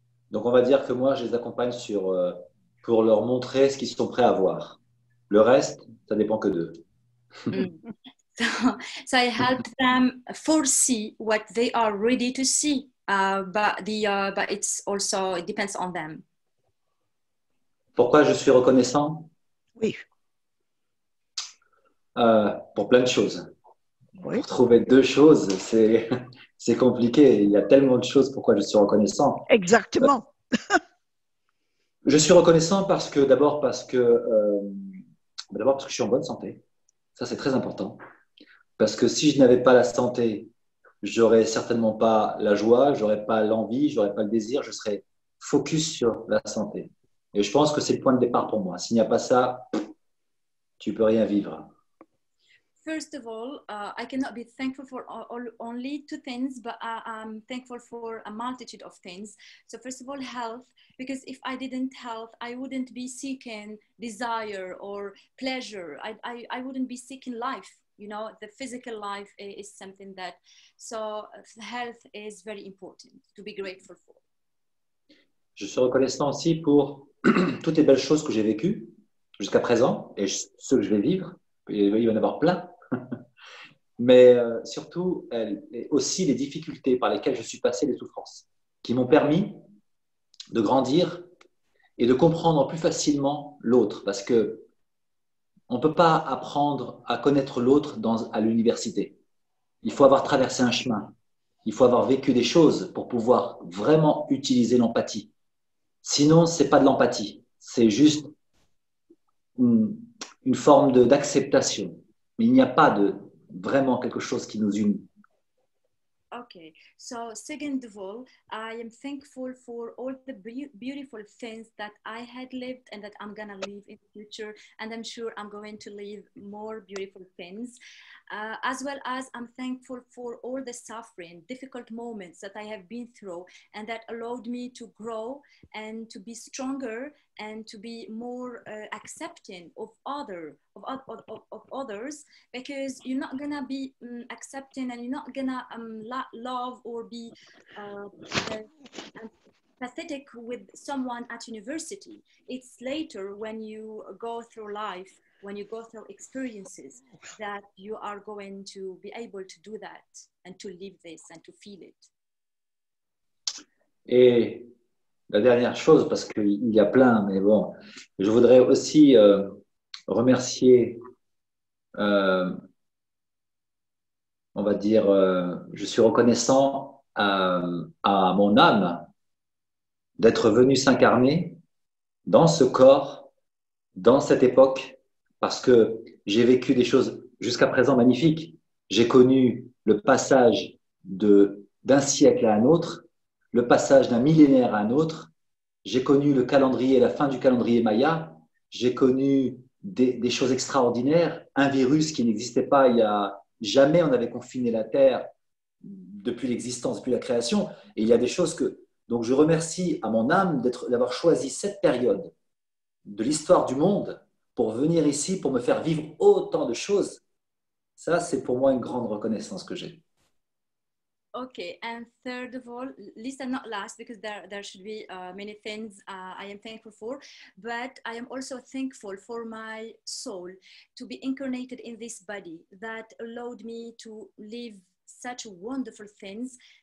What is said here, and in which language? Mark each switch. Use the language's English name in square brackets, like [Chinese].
[French] Donc, on va dire que moi, je les accompagne pour leur montrer ce qu'ils sont prêts à voir. Le reste, ça dépend que d'eux. [English] So, I help them foresee what they are ready to see, but it's also, it depends on them. [French] Pourquoi je suis reconnaissant? Oui. Pour plein de choses. Oui. Pour trouver deux choses, c'est... C'est compliqué, il y a tellement de choses pourquoi je suis reconnaissant. Exactement. Je suis reconnaissant parce que d'abord parce que je suis en bonne santé. Ça, c'est très important. Parce que si je n'avais pas la santé, je n'aurais certainement pas la joie, je n'aurais pas l'envie, je n'aurais pas le désir, je serais focus sur la santé. Et je pense que c'est le point de départ pour moi. S'il n'y a pas ça, tu ne peux rien vivre. [English] First of all, I cannot be thankful for only two things, but I'm thankful for a multitude of things. So first of all, health, because if I didn't health, I wouldn't be seeking desire or pleasure. I wouldn't be seeking life. You know, the physical life is something that, so health is very important to be grateful for. [French] Je suis reconnaissant aussi pour toutes les belles choses que j'ai vécues jusqu'à présent et ce que je vais vivre. Il va y en avoir plein. Mais surtout, aussi les difficultés par lesquelles je suis passé, les souffrances, qui m'ont permis de grandir et de comprendre plus facilement l'autre. Parce qu'on ne peut pas apprendre à connaître l'autre à l'université. Il faut avoir traversé un chemin. Il faut avoir vécu des choses pour pouvoir vraiment utiliser l'empathie. Sinon, ce n'est pas de l'empathie. C'est juste une forme d'acceptation. Mais il n'y a pas de vraiment quelque chose qui nous unit. [English] Okay, so second of all, I am thankful for all the beautiful things that I had lived and that I'm gonna live in the future, and I'm sure I'm going to live more beautiful things. As well as I'm thankful for all the suffering, difficult moments that I have been through, and that allowed me to grow and to be stronger and to be more accepting of others, because you're not gonna be accepting and you're not gonna love or be pathetic with someone at university. It's later when you go through life, when you go through experiences, that you are going to be able to do that and to live this and to feel it. [French] Et la dernière chose, parce qu'il y a plein, mais bon, je voudrais aussi remercier, on va dire, je suis reconnaissant à mon âme d'être venu s'incarner dans ce corps, dans cette époque, parce que j'ai vécu des choses jusqu'à présent magnifiques. J'ai connu le passage d'un siècle à un autre, le passage d'un millénaire à un autre. J'ai connu le calendrier, la fin du calendrier Maya. J'ai connu des choses extraordinaires. Un virus qui n'existait pas il y a... Jamais on avait confiné la Terre depuis l'existence, depuis la création. Et il y a des choses que... Donc, je remercie à mon âme d'avoir choisi cette période de l'histoire du monde pour venir ici, pour me faire vivre autant de choses. Ça, c'est pour moi une grande reconnaissance que j'ai. [English] Ok, and third of all, least and not last, because there should be many things I am thankful for, but I am also thankful for my soul to be incarnated in this body that allowed me to live such wonderful things